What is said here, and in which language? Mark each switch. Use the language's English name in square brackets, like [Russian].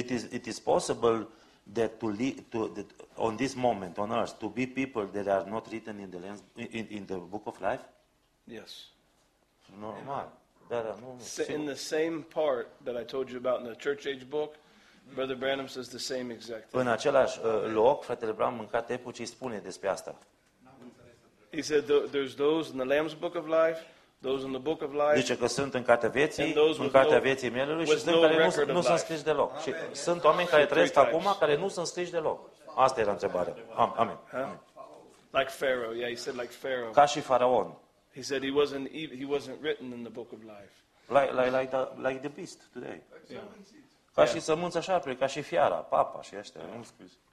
[English] It is possible that to on this moment on earth to be people that are not written in the lens in the book of life? Yes. [Romanian] Normal. Da, [English] in the same part that I told you about in the Church Age book, Brother Branham says the same exact thing. [Romanian] În același loc, fratele Branham în cartea epocii spune despre asta. [English] He said there's those in the Lamb's book of life, those in the book of life. [Romanian] Dice că sunt în cartea vieții, în cartea vieții mielului și sunt care nu sunt scriși deloc. Și sunt oameni care trăiesc acum care nu sunt scriși deloc. Asta era întrebarea. Amen. [English] Like Pharaoh. Yeah, he said like Pharaoh. [Romanian] Ca și faraon. [English] He said he wasn't written in the book of life. Like the beast today. [Romanian] Ca și sămânța șarpelui, ca și fiara, papa și ăștia, nu scris.